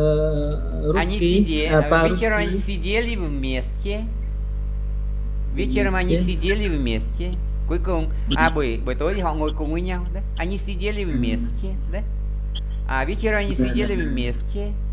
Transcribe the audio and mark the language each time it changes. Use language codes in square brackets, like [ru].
[ru] вечером они сидели вместе. Вечером они сидели вместе. [vi] Cuối cùng, buổi tối họ ngồi cùng với nhau, да? [ru] Они сидели вместе, да? А вечером они сидели вместе.